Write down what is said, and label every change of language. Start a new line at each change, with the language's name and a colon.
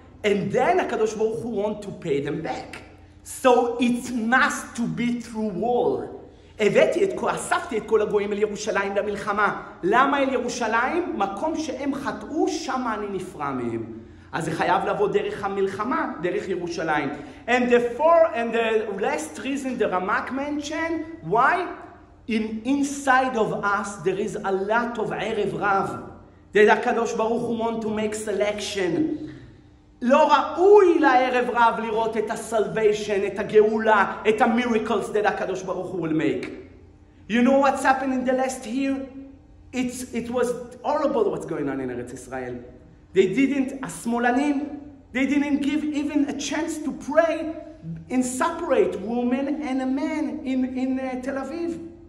English: And then הקדוש ברוך הוא want to pay them back. So it must to be through war.
Hebrew: הבאתי את כל, אספתי את כל הגויים אל ירושלים למלחמה. למה אל ירושלים? מקום שהם חטאו, שם אני נפרע מהם. אז זה חייב לבוא דרך המלחמה, דרך ירושלים.
English: And the four, and the last reason the Ramak mentioned, why? Inside of us there is a lot of ערב רב. That הקדוש ברוך הוא want to make selection.
Hebrew: לא ראוי לערב רב לראות את הסלוויישן, את הגאולה, את המיריקלס
English: that
Hebrew: הקדוש ברוך הוא
English: will make. You know what's happened in the last year? It was horrible what's going on in ארץ ישראל. They didn't, השמאלנים, they didn't give even a chance to pray and separate women and a man in Tel Aviv.